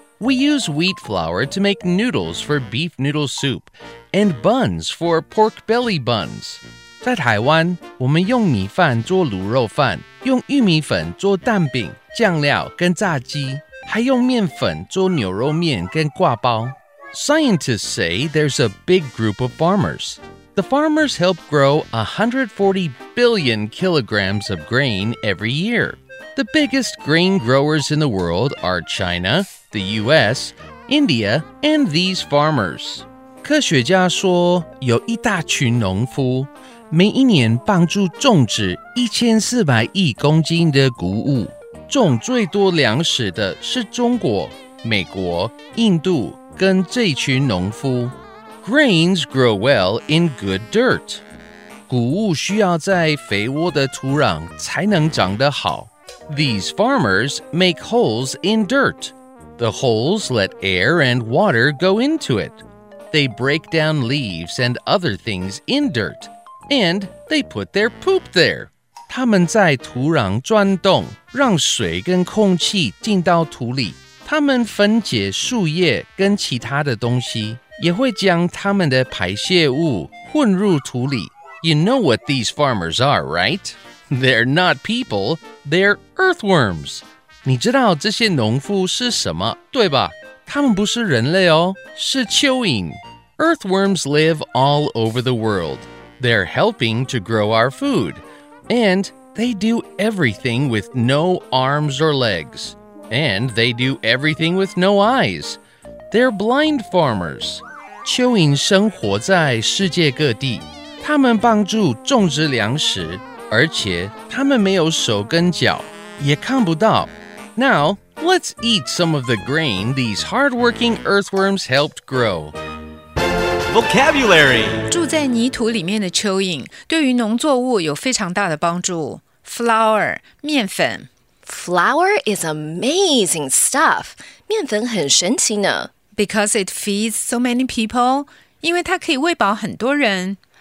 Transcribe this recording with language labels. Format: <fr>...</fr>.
<en>We use wheat flour to make noodles for beef noodle soup, and buns for pork belly buns.</en> <zh>在台湾，我们用米饭做卤肉饭，用玉米粉做蛋饼、酱料跟炸鸡，还用面粉做牛肉面跟挂包。</zh> <en>Scientists say there's a big group of farmers. The farmers help grow 140 billion kilograms of grain every year. The biggest grain growers in the world are China, the US, India, and these farmers.</en> <zh>科学家说有一大群农夫每一年帮助种植1400亿公斤的谷物。种最多粮食的是中国、美国、印度跟这一群农夫。</zh> <en>Grains grow well in good dirt.</en> <zh>谷物需要在肥沃的土壤才能长得好。</zh> <en>These farmers make holes in dirt. The holes let air and water go into it. They break down leaves and other things in dirt. And they put their poop there.</en> <zh>他们在土壤钻洞，让水跟空气进到土里。牠們分解樹葉跟其他的東西，也會將牠們的排泄物混入土裡。</zh> <en>You know what these farmers are, right? They're not people, they're earthworms.</en> <zh>你知道這些農夫是什麼，對吧？牠們不是人類哦，是蚯蚓。</zh> <en>Earthworms live all over the world. They're helping to grow our food. And they do everything with no arms or legs. And they do everything with no eyes. They're blind farmers.</en> <zh>蚯蚓生活在世界各地，他们帮助种植粮食，而且他们没有手跟脚，也看不到。</zh> <en>Now, let's eat some of the grain these hardworking earthworms helped grow. Vocabulary.</en> <zh>住在泥土里面的蚯蚓，对于农作物有非常大的帮助。</zh> <en>Flour,</en> <zh>面粉。</zh> <en>Flour is amazing stuff.</en> <zh>面粉很神奇呢。</zh> <en>Because it feeds so many people.</en> <zh>因为它可以喂饱很多人。</zh>